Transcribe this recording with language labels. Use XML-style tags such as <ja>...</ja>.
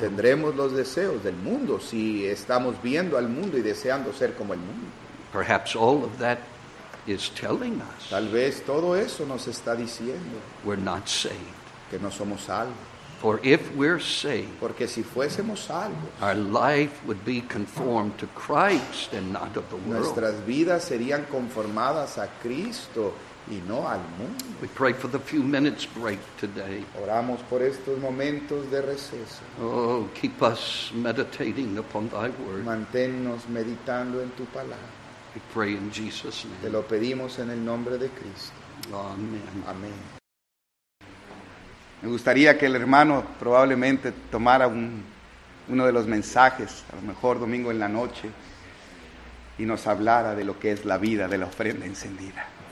<es>Tendremos los deseos del mundo si estamos viendo al mundo y deseando ser como el mundo.</es> <en>Perhaps all of that is telling us.</en> <es>Tal vez todo eso nos está diciendo.</es> <en>We're not saved.</en> <es>Que no somos salvos.</es> <en>For if we're saved,</en> <es>porque si fuésemos salvos,</es> <en>our life would be conformed to Christ and not of the world.</en> <es>Nuestras vidas serían conformadas a Cristo y no al mundo.</es> <en>We pray for the few minutes break today.</en> <es>Oramos por estos momentos de receso.</es> <en>Oh, keep us meditating upon thy word.</en> <es>Manténnos meditando en tu palabra.</es> <en>We pray in Jesus' name.</en> <es>Te lo pedimos en el nombre de Cristo.</es> <en>Amen.</en> <es>Amén. Me gustaría que el hermano probablemente tomara uno de los mensajes, a lo mejor domingo en la noche, y nos hablara de lo que es la vida de la ofrenda encendida.</es>